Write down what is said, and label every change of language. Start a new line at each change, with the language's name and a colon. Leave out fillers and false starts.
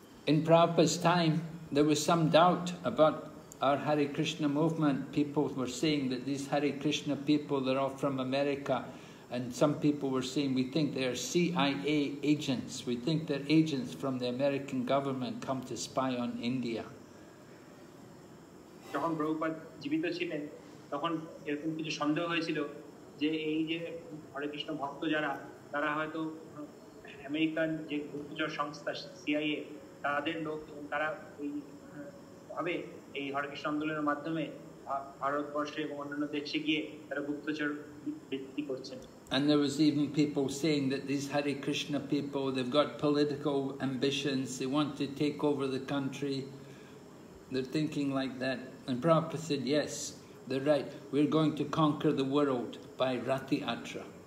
English: In Prabhupada's time, there was some doubt about our Hare Krishna movement. People were saying that these Hare Krishna people, they're all from America. And some people were saying, we think they are CIA agents. We think they're agents from the American government come to spy on India.
Bangla: যখন প্রভুপাদ জীবিত ছিলেন তখন এরকম কিছু সন্দেহ হয়েছিল যে এই যে হরে কৃষ্ণ ভক্ত যারা, তারা হয়তো আমেরিকান যে গুপ্তচর সংস্থা CIA তাদের লোক, তারা এই ভাবে এই হরে কৃষ্ণ আন্দোলনের মাধ্যমে ভারতবর্ষে এবং অন্যান্য দেশে গিয়ে তারা গুপ্তচর বৃত্তি করছেন।
English: And there was even people saying that these Hare Krishna people, they've got political ambitions, they want to take over the country. They're thinking like that. And Prabhupada said, yes, they're right. We're going to conquer the world by Rati Atra.